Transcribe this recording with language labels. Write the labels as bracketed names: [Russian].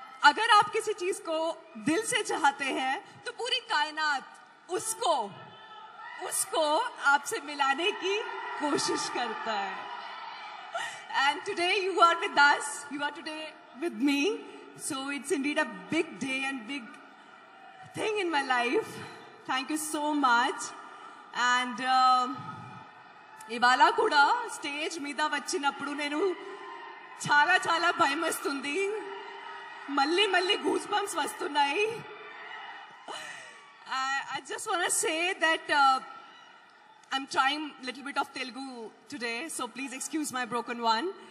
[Hindi] अगर आप किसी चीज को दिल से चाहते हैं तो पूरी कायनात उसको उसको आपसे मिलाने की कोशिश करता है. [English] And today you are with us, you are today with me. So it's indeed a big day and big thing in my life. Thank you so much. [Telugu] And ఇవాళ కూడా స్టేజ్ మీద వచ్చినప్పుడు నేను చాలా చాలా భయమేస్తుంది, మళ్ళీ మళ్ళీ గూస్ బంప్స్ వస్తున్నాయి. [English] I just want to say that I am trying little bit of Telugu today, so please excuse my broken one.